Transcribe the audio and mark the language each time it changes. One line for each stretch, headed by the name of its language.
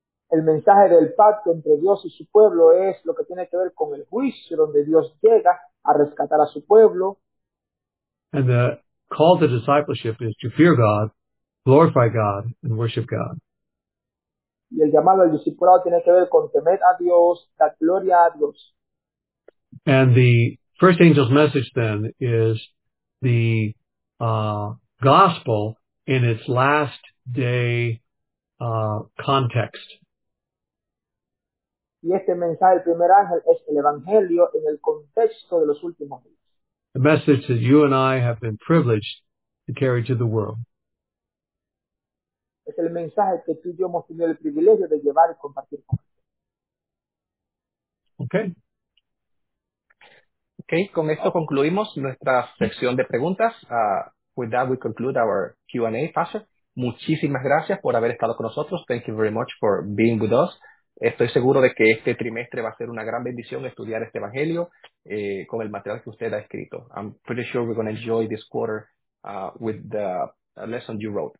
Spanish: El mensaje del pacto entre Dios y su pueblo es lo que tiene que ver con el juicio donde Dios llega a rescatar a su pueblo.
English: And the call to discipleship is to fear God, glorify God, and worship God.
Spanish: Y el llamado al discipulado tiene que ver con temer a Dios, dar gloria a Dios.
English: And the first angel's message then is the gospel in its last day context.
Spanish: Y este mensaje del primer ángel es el evangelio en el contexto de los últimos días.
English: The message that you and I have been privileged to carry to the world.
Spanish: Es el mensaje que tú y yo hemos tenido el privilegio de llevar y compartir con él.
English: Okay.
Spanish: Okay, con esto concluimos nuestra sección de preguntas.
English: With that we conclude our Q&A, Pastor.
Spanish: Muchísimas gracias por haber estado con nosotros.
English: Thank you very much for being with us.
Spanish: Estoy seguro de que este trimestre va a ser una gran bendición estudiar este evangelio con el material que usted ha escrito.
English: I'm pretty sure we're going to enjoy this quarter with the lesson you wrote.